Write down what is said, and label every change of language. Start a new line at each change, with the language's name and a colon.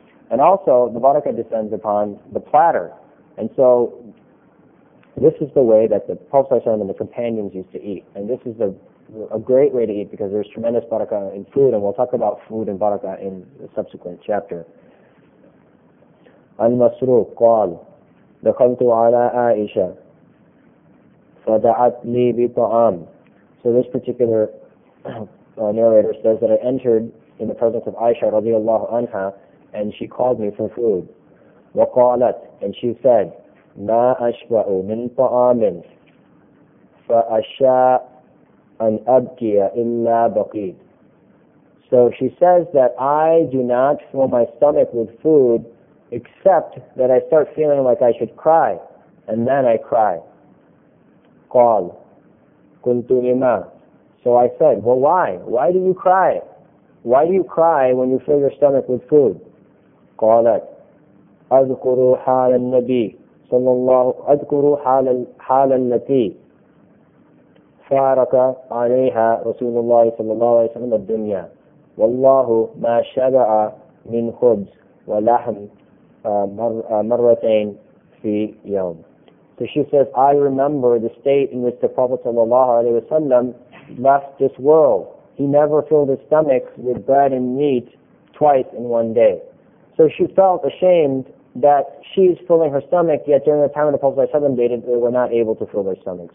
English: And also, the barakah descends upon the platter. And so this is the way that the Prophet ﷺ and the companions used to eat. And this is a great way to eat because there's tremendous barakah in food, and we'll talk about food and barakah in a subsequent chapter.
Arabic: Al-Masruq قال دخلت على عائشة فدعت لي بطعام.
English: So this particular narrator says that I entered in the presence of Aisha رضي الله عنها and she called me for food.
Arabic: وقالت,
English: and she said,
Arabic: ما أشبع من طعام فأشاء an abkiya illa baqid.
English: So she says that I do not fill my stomach with food except that I start feeling like I should cry, and then I cry.
Arabic: Qal, kuntu lima.
English: So I said, well, why? Why do you cry? Why do you cry when you fill your stomach with food?
Arabic: Qalat, adhkuru hal al-nabi sallallahu, adhkuru hal al-nabi faraka alayha rasulullah sallallahu alayhi wa sallam al-dunya. والله ما شبع من خبز ولحم مرتين في يوم.
English: So she says, I remember the state in which the Prophet sallallahu alaihi wasallam left this world. He never filled his stomach with bread and meat twice in one day. So she felt ashamed that she's filling her stomach, yet during the time of the Prophet sallallahu alaihi wasallam, they were not able to fill their stomachs.